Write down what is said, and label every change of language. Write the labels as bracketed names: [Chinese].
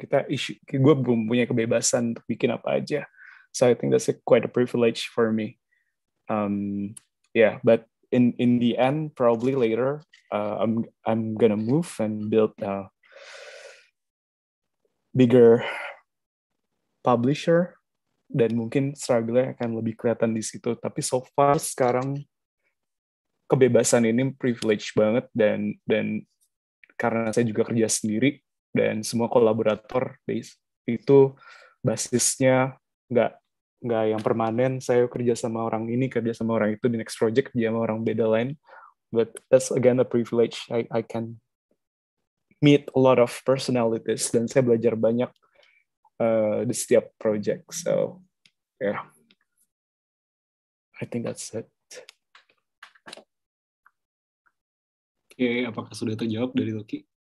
[Indonesian] Kita issue, gue belum punya kebebasan untuk bikin apa aja. [English] So I think that's quite a privilege for me. Yeah, but in the end, probably later, I'm gonna move and build a bigger publisher. [Indonesian] Dan mungkin struggle-nya akan lebih kelihatan di situ. Tapi [English] so far [Indonesian] sekarang, kebebasan ini privilege banget, dan karena saya juga kerja sendiri dan semua kolaborator itu basisnya nggak yang permanen, saya kerja sama orang ini, kerja sama orang itu, di next project dia sama orang beda lain, [English] but that's again a privilege. I can meet a lot of personalities [Indonesian] dan saya belajar banyak di setiap project, [English] so yeah, I think that's it. [Indonesian] Oke, okay, apakah sudah terjawab dari Loki?